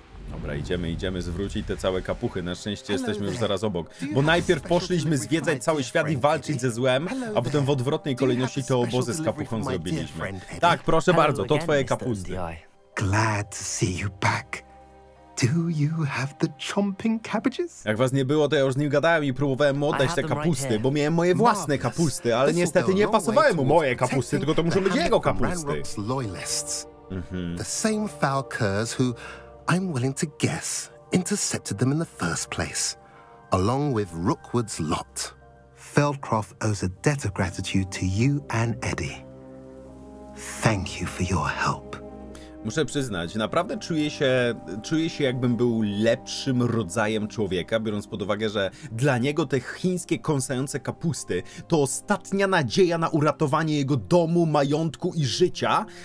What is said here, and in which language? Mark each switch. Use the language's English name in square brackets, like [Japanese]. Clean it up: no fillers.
[Polish] Dobra, idziemy zwrócić te całe kapuchy. Na szczęście jesteśmy już zaraz obok. Bo najpierw poszliśmy zwiedzać cały świat i walczyć ze złem, a potem w odwrotnej kolejności te obozy z kapuchą zrobiliśmy. Tak, proszę bardzo, to twoje kapusty. [English] Glad to see you back. Do you have the chomping cabbages? [Polish] Jak was nie było, to ja już z nim gadałem i próbowałem mu oddać te kapusty, bo miałem moje własne kapusty, ale niestety nie pasowały mu moje kapusty, tylko to muszą być jego kapusty. [English] The same foul curs who... I'm willing to guess, intercepted them in the first place, along with Rookwood's lot. Feldcroft owes a debt of gratitude to you and Eddie. Thank you for your help. [Polish] Muszę przyznać, naprawdę czuję się jakbym był lepszym rodzajem człowieka, biorąc pod uwagę, że dla niego te chińskie kąsające kapusty to ostatnia nadzieja na uratowanie jego domu, majątku i życia.